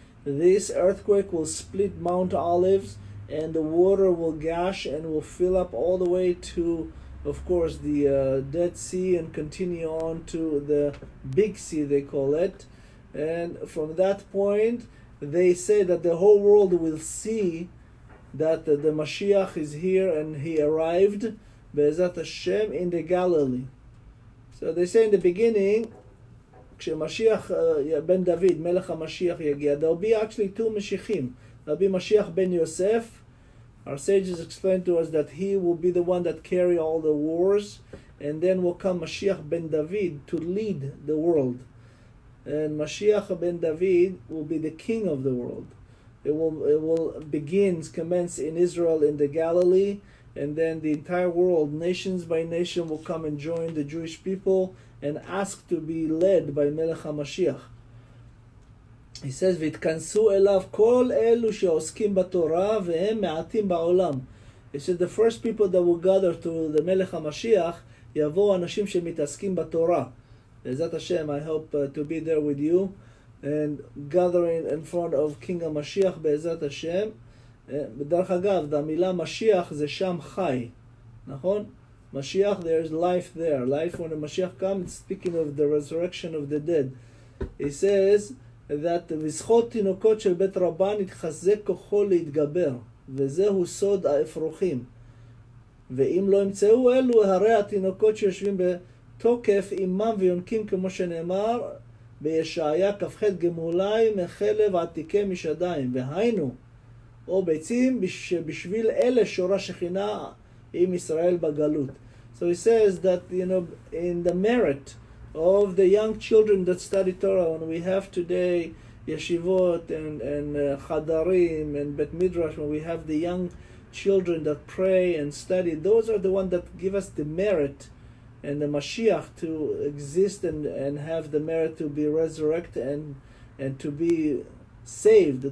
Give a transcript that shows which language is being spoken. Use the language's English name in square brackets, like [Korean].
[English] This earthquake will split Mount Olives, and the water will gush and will fill up all the way to, of course, the Dead Sea and continue on to the Big Sea, they call it. And from that point, they say that the whole world will see that the Mashiach is here and he arrived, Be'ezat Hashem, in the Galilee. So they say in the beginning, [Hebrew] כשמשיח, בן דוד, מלך המשיח יגיע, [English] there'll be actually two משיחים. There'll be משיח בן יוסף. Our sages explained to us that he will be the one that carry all the wars, and then will come משיח בן דוד to lead the world. And משיח בן דוד will be the king of the world. It will commence in Israel in the Galilee, and then the entire world, nations by nation, will come and join the Jewish people and ask to be led by Melech HaMashiach. He says, [Hebrew] "V'itkansu elav kol elu she'oskim b'Torah ve'hem me'atim ba'olam." [English] He said, the first people that will gather to the Melech HaMashiach, [Hebrew] yavo anashim she'mitaskim b'Torah. [English] Be'ezat Hashem, I hope to be there with you and gathering in front of King HaMashiach, Be'ezat Hashem. [Hebrew] בדרך אגב, המילה משיח זה שם חי, נכון? [English] משיח, there is life there. Life when the Mashiach comes, speaking of the resurrection of the dead. He says that [Hebrew] בזכות תינוקות של בית רבן התחזק כוחו להתגבר, וזהו סוד האפרוחים. ואם לא ימצאו אלו, הרי התינוקות שיושבים בתוקף אימם ויונקים, כמו שנאמר, בישעיה כפחת גמולי מחלב עתיקי משדיים, והיינו. או ביצים שבשביל אלה שורה שכינה עם ישראל בגלות. [English] So he says that, you know, in the merit of the young children that study Torah, when we have today yeshivot and chadarim and bet midrash, when we have the young children that pray and study, those are the ones that give us the merit and the Mashiach to exist and have the merit to be resurrected and to be saved.